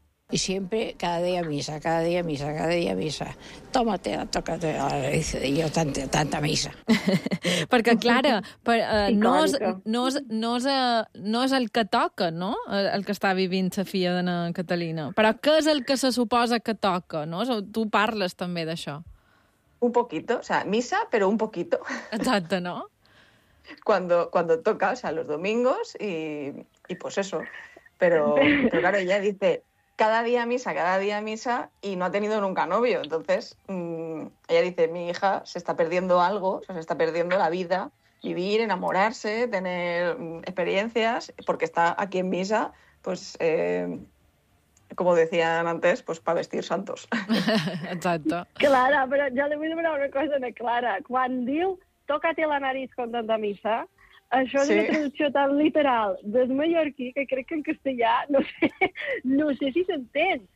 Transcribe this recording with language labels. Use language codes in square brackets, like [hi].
[es] Y siempre, cada día misa, cada día misa, cada día misa. Tómate, tócate, dice, yo tanta misa. [ca] Perquè, Clara, per, no és el que toca, no?, el que està vivint la filla d'Anna Catalina. Però què és el que se suposa que toca, no? Tu parles també d'això. [es] Un poquito, o sea, misa, pero un poquito. [ca] Exacte, no? [es] Cuando toca, o sea, los domingos y pues eso. Pero claro, ella dice... cada día misa, y no ha tenido nunca novio. Entonces, ella dice, mi hija se está perdiendo algo, o sea, se está perdiendo la vida, vivir, enamorarse, tener experiencias, porque está aquí en misa, pues, como decían antes, pues para vestir santos. Exacto. Clara, pero ya le voy a demanar una cosa a Clara. [ca] Cuando diu, [es] tócate la nariz con tanta misa, [ca] això és sí. Una traducció tan literal del mallorquí que crec que en castellà no sé si s'entén.